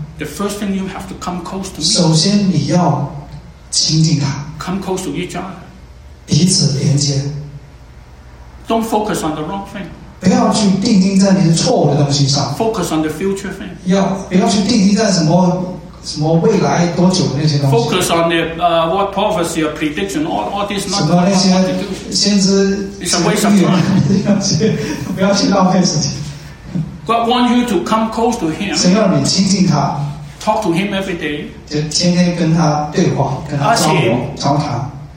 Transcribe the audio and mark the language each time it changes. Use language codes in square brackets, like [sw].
[en] The first thing you have to come close to me. [zh] 首先你要亲近他。 [en] Come close to each other. [zh] 彼此连接。 [en] Don't focus on the wrong thing. [zh] 不要去定睛在你的错误的东西上。 [en] Focus on the future thing. [zh] 不要去定睛在什么未来多久那些东西。 [en] Focus on the what prophecy or prediction. All this not. [zh] 什么那些先知。 [en] It's a waste of time. [zh] 不要去浪费时间。 [en] God want you to come close to Him. [zh] 神要你亲近他。 [en] Talk to Him every day. [zh] 就天天跟他对话，跟他交流，交谈。